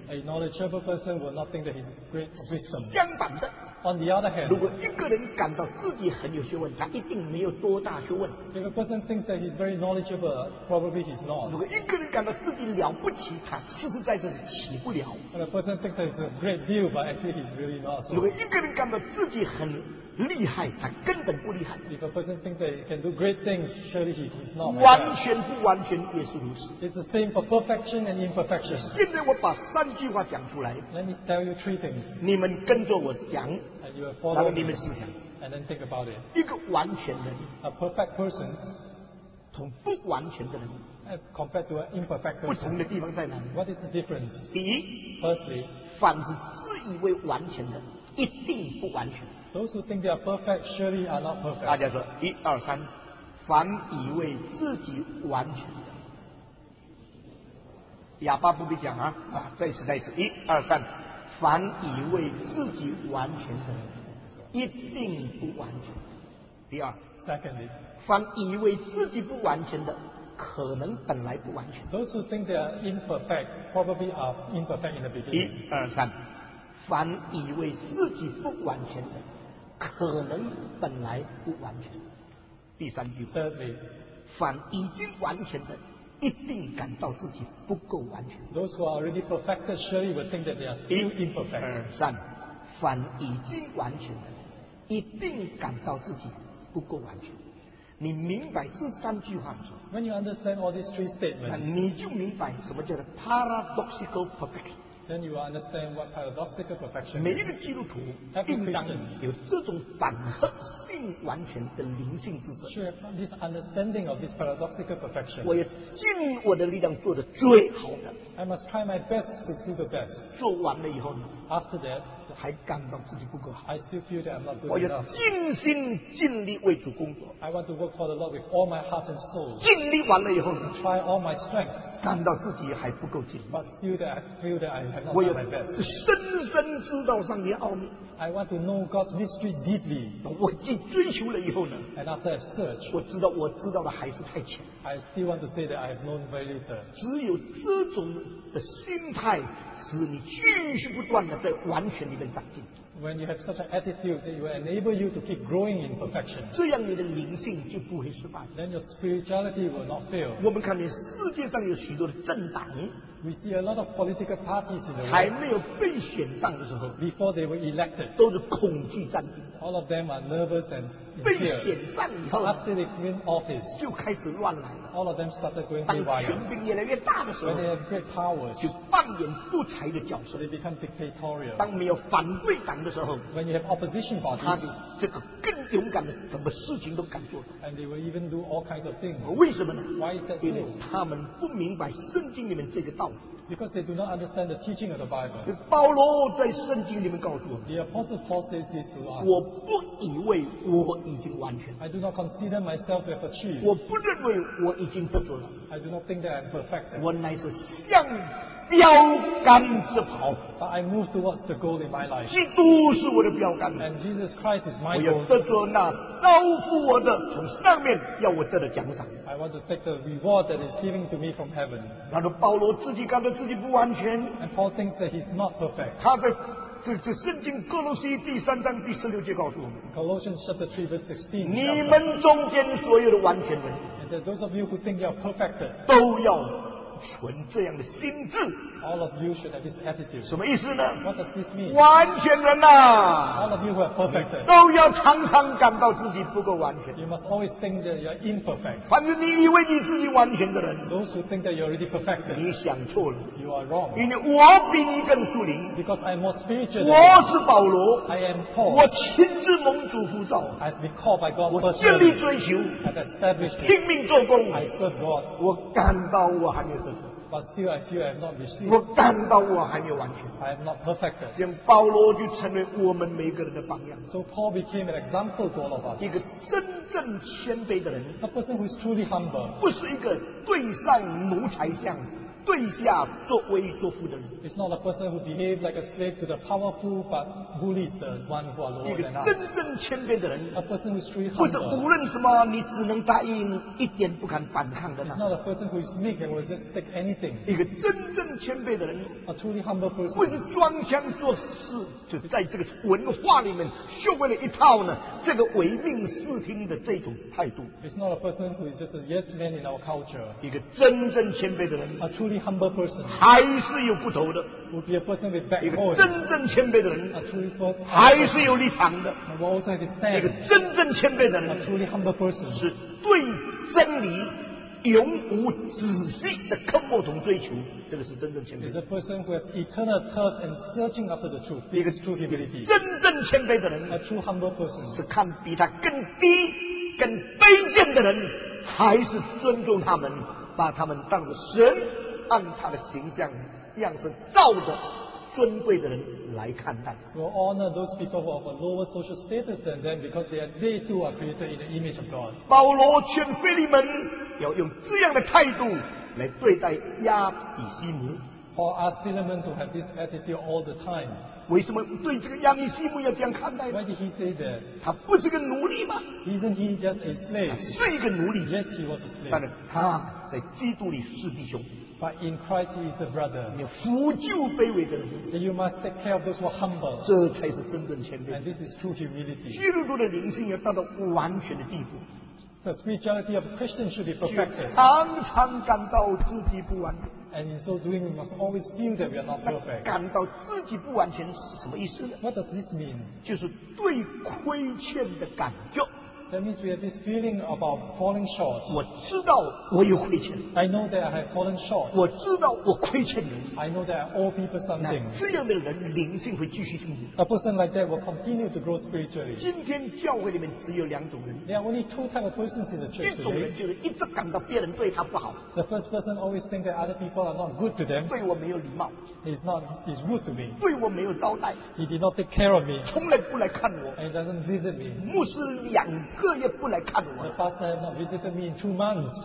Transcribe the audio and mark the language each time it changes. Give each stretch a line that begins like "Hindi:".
English: A knowledgeable person will not think that he is great wisdom.
Chinese: 相反的。
English: On the other hand,
Chinese: 如果一个人感到自己很有学问，他一定没有多大学问。
English: If a person thinks that he's very knowledgeable, probably he's not.
Chinese: 如果一个人感到自己了不起，他实实在在起不了。
English: If a person thinks that he's a great deal, but actually he's really not. So.
Chinese: 如果一个人感到自己很厉害，他根本不厉害。
English: If a person thinks that he can do great things, surely he is not.
Chinese: 完全不完全也是如此。
English: It's the same for perfection and imperfection.
Chinese: 现在我把三句话讲出来。
English: Let me tell you three things.
Chinese: 你们跟着我讲。
English: And you will follow me.
Chinese: 你们思想。
English: And then think about it.
Chinese: 一个完全的人。
English: A perfect person.
Chinese: 同不完全的人。
English: Compared to an imperfect person.
Chinese: 不同的地方在哪里？
English: What is the difference?
Chinese: 第一。
English: Firstly.
Chinese: 凡是自以为完全的，一定不完全。
English: Those who think they are perfect surely are not perfect.
Chinese: 大家说一二三，凡以为自己完全的，哑巴不必讲啊！啊，再一次，一二三，凡以为自己完全的，一定不完全。第二
English: ，Secondly，
Chinese: 凡以为自己不完全的，可能本来不完全。
English: Those who think they are imperfect probably are imperfect in the beginning.
Chinese: 一二三，凡以为自己不完全的。可能本来不完全。第三句
English: Thirdly,
Chinese: 凡已经完全的一定感到自己不够完全。
English: Those who are already perfected surely will think that they are still imperfect.
Chinese: 三，凡已经完全的一定感到自己不够完全。你明白这三句话吗？
English: When you understand all these three statements,
Chinese: 你就明白什么叫做
English: paradoxical perfection。 Then you will understand what paradoxical perfection is.
Chinese: 每一个基督徒应当有这种反合性完全的灵性之分。
English: Sure, this understanding of this paradoxical perfection.
Chinese: 我要尽我的力量做得最好的。
English: I must try my best to do the best.
Chinese: 做完了以后呢？
English: After that,
Chinese: 还感到自己不够好。
English: I still feel that I'm not good
Chinese: 我要尽心尽力为主工作。
English: I want to work for the Lord with all my heart and soul.
Chinese: 尽力完了以后呢？
English: Try all my strength.
Chinese: 感到自己还不够尽力
English: but still that I feel that I have not
Chinese: 我有深深知道上帝奥秘
English: I want to know God's mystery deeply
Chinese: 我既追求了以后呢
English: and after I search
Chinese: 我知道的还是太浅
English: I still want to say that I have known very little
Chinese: 只有这种的心态使你继续不断的在完全里面长进
English: when you have such an attitude it will enable you to keep growing in perfection
Chinese: 这样你的灵性就不会失败
English: then your spirituality will not fail
Chinese: 我们看见世界上有许多的政党
English: we see a lot of political parties in the world
Chinese: 还没有被选上的时候
English: before they were elected
Chinese: 都是恐惧战兢
English: all of them are nervous and
Chinese: 被选上以后
English: after they win office
Chinese: 就开始乱来了
English: all of them started going haywire
Chinese: 当权柄越来越大的时候
English: when they have great powers
Chinese: 就扮演独裁的角色
English: they become dictatorial
Chinese: 当没有反对党的时候
English: when you have opposition parties
Chinese: 他们这个更勇敢的什么事情都敢做
English: and they will even do all kinds of things
Chinese: 为什么呢
English: why is that so
Chinese: 因为他们不明白圣经里面这个道理
English: Because they do not understand the teaching of the Bible.
Chinese: 保罗在圣经里面告诉我
English: The Apostle Paul says this to us.
Chinese: 我不以为我已经完全。
English: I do not consider myself to have achieved.
Chinese: 我不认为我已经得着了。
English: I do not think that I am perfect.
Chinese: 我乃是向标杆之跑。
English: But I move towards the goal in my life.
Chinese: 基督是我的标杆。
English: And Jesus Christ is my goal.
Chinese: 我要得着那招呼我的从上面要我得的奖赏。
English: I want to take the reward that is given to me from heaven.
Chinese: 然后保罗自己感到自己不完全。
English: And Paul thinks that he's not perfect.
Chinese: 他的这圣经哥罗西第三章第十六节告诉我们。
English: Colossians chapter 3 verse 16.
Chinese: 你们中间所有的完全人。
English: And that those of you who think you're perfected.
Chinese: 都要存这样的心智。
English: All of you should have this attitude.
Chinese: 什么意思呢？
English: What does this mean?
Chinese: 完全人呐、啊。
English: All of you who are perfected.
Chinese: 都要常常感到自己不够完全。
English: You must always think that you're imperfect.
Chinese: 反正你以为你自己完全的人。
English: Those who think that you're already perfected.
Chinese: 你想错了。
English: You are wrong.
Chinese: 因为我比你更属灵。
English: Because I'm more spiritual.
Chinese: 我是保罗。
English: I am Paul.
Chinese: 我亲自蒙主呼召。
English: I've been called by God personally.
Chinese: 我尽力追求。
English: I've established it.
Chinese: 拼命做工。
English: I serve God.
Chinese: 我感到我还没有。
English: But still, I feel I have not received.
Chinese: 我感到我还没有完全。
English: I am not perfected.
Chinese: 这样保罗就成为我们每个人的榜样。
English: So Paul became an example to all of us.
Chinese: 一个真正谦卑的人。
English: A person who is truly humble.
Chinese: 不是一个对上奴才相，对下作威作福的人。
English: It's not a person who behaves like a slave to the powerful, but bullies the one who are lower than us.
Chinese: 一个真正谦卑的人。
English: A person who is truly humble.
Chinese: 或者无论什么，你只能答应，一点不敢反抗的。
English: It's not a person who is meek and will just take anything.
Chinese: 一个真正谦卑的人。
English: A truly humble person.
Chinese: 不是装腔作势，就在这个文化里面学会了一套呢，这个唯命是听的这种态度。
English: It's not a person who is just a yes man in our culture.
Chinese: 一个真正谦卑的人。
English: A truly truly humble person,
Chinese: 还是有不同的
English: would be a person with backbone,
Chinese: 一个真正谦卑的人
English: a truly humble person,
Chinese: 还是有立场的
English: and will also have a stand,
Chinese: 一个真正谦卑的人
English: a truly humble person,
Chinese: 是对真理永无止息的刻薄同追求这个是真正谦卑
English: is a person who has eternal thirst and searching after the truth,
Chinese: 一个
English: true humility,
Chinese: 真正谦卑的人
English: a true humble person,
Chinese: 是看比他更低更卑贱的人还是尊重他们把他们当作神按他的形象样式照着尊贵的人来看待
English: We'll honor those people who have a lower social status than them because they too are created in the image of God
Chinese: 保罗劝腓利门要用这样的态度来对待亚比西尼
English: Paul asked Philemon to have this attitude all the time
Chinese: 为什么对这个亚比西尼要这样看待
English: Why did he say that
Chinese: 他不是个奴隶吗
English: Isn't he just a slave
Chinese: 是一个奴隶
English: Yes he was a slave
Chinese: 但是他在基督里是弟兄
English: But in Christ he is a brother
Chinese: 你扶救卑微的人
English: You must take care of those who are humble
Chinese: 这才是真正谦卑
English: And this is true humility
Chinese: 基督徒的灵性要到了完全的地步
English: The spirituality of a Christian should be perfected
Chinese: 常常感到自己不完全
English: And in so doing we must always feel that we are not perfect
Chinese: 感到自己不完全是什么意思
English: What does this mean?
Chinese: 就是对亏欠的感觉
English: That means we have this feeling about falling short.
Chinese: 我知道我有亏欠。
English: I know that I have fallen short.
Chinese: 我知道我亏欠人。
English: I know that I owe people something.
Chinese: 这样的人灵性会继续进步。
English: A person like that will continue to grow spiritually.
Chinese: 今天教会里面只有两种人。
English: There are only two types of persons in the church today.
Chinese: 一种人就是一直感到别人对他不好。
English: The first person always thinks that other people are not good to them.
Chinese: 对我没有礼貌。
English: He's rude to me.
Chinese: 对我没有招待。
English: He did not take care of me.
Chinese: 从来不来看我。
English: And he doesn't visit me.
Chinese: 牧师两个月不来看我。
English: The pastor has not visited me in 2 months.